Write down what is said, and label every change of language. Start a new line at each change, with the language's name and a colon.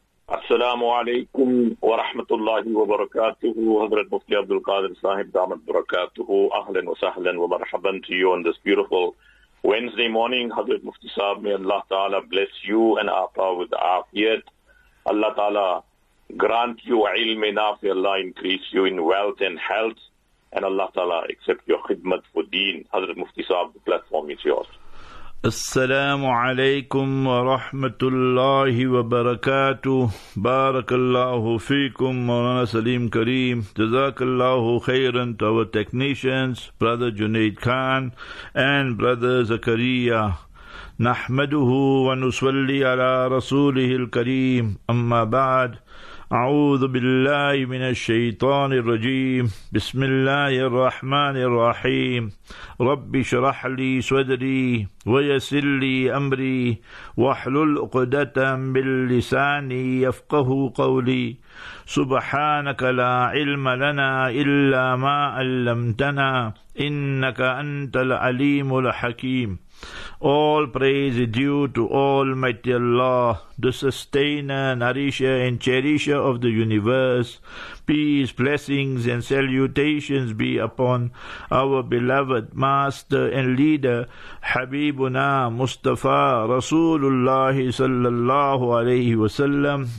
Arabic: السلام عليكم ورحمة الله وبركاته. حضرت مفتي عبد القادر صاحب دامت بركاته، اهلا وسهلا ومرحبا
English: to you on this beautiful Wednesday morning. حضرت مفتي صاحب، may Allah Ta'ala bless you and Aafa with Aafiyat. Allah Ta'ala grant you ilm enough, may Allah increase you in wealth and health, and Allah Ta'ala accept your khidmat for deen. حضرت مفتي صاحب, the platform is yours.
Arabic: السلام عليكم ورحمة الله وبركاته. بارك الله فيكم مولانا سليم كريم. جزاك الله خيرا
English: to our technicians, brother Junaid Khan and brother زكريا.
Arabic: نحمده ونصلي على رسوله الكريم. أما بعد, أعوذ بالله من الشيطان الرجيم. بسم الله الرحمن الرحيم. رب اشرح لي صدري ويسر لي أمري واحلل عقدة من لساني يفقه قولي. سبحانك لا علم لنا إلا ما علمتنا إنك أنت العليم الحكيم.
English: All praise is due to Almighty Allah, the sustainer, nourisher and cherisher of the universe. Peace, blessings and salutations be upon our beloved master and leader Habibuna Mustafa Rasulullah sallallahu alayhi wa sallam.